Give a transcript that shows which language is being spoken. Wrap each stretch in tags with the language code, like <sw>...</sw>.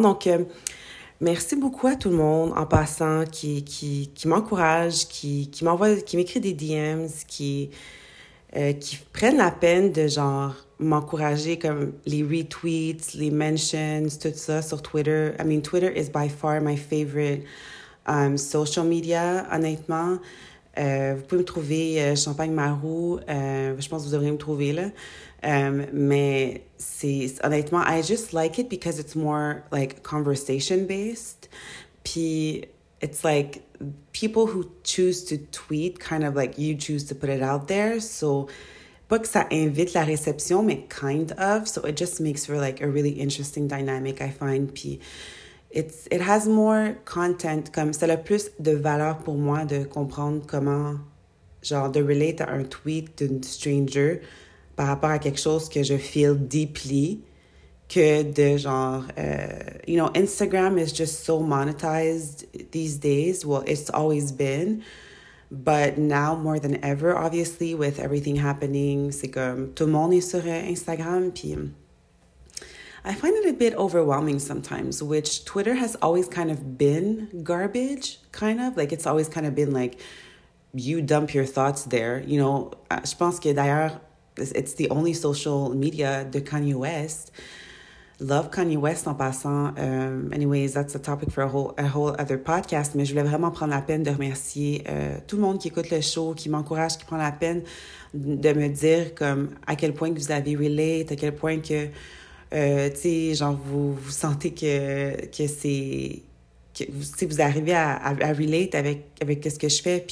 <fr>Donc, merci beaucoup à tout le monde en passant qui m'encourage, qui m'envoie, qui m'écrit des DMs, qui prennent la peine de genre m'encourager comme les retweets, les mentions, tout ça sur Twitter.</fr> <en>I mean, Twitter is by far my favorite social media, honnêtement.</en> <fr>Vous pouvez me trouver champagnemarou, je pense que vous devriez me trouver là. Mais c'est honnêtement,</fr> <en>I just like it because it's more like conversation based. Puis it's like people who choose to tweet, kind of like you choose to put it out there.</en> <fr>So, pas que ça invite la réception, mais kind of.</fr> <en>So it just makes for like a really interesting dynamic, I find.</en> <fr>Puis</fr> <en>it has more content,</en> <fr>comme ça a plus de valeur pour moi de comprendre comment, genre, de relate à un tweet d'une stranger par rapport à quelque chose que je feel deeply que de genre, you know,</fr> <en>Instagram is just so monetized these days. Well, it's always been. But now more than ever, obviously, with everything happening,</en> <fr>c'est comme tout le monde est sur Instagram.</fr> <en>Puis I find it a bit overwhelming sometimes, which Twitter has always kind of been garbage, kind of. Like, it's always kind of been like, you dump your thoughts there. You know,</en> <fr>je pense que d'ailleurs,</fr> <en>it's the only social media de Kanye West. Love Kanye West en passant. Anyways, that's a topic for a whole other podcast.</en> <fr>Mais je voulais vraiment prendre la peine de remercier tout le monde qui écoute le show, qui m'encourage, qui prend la peine de me dire comme à quel point que vous avez relate, à quel point que tu sais, genre vous sentez que c'est que si vous arrivez à relate avec ce que je fais.</fr>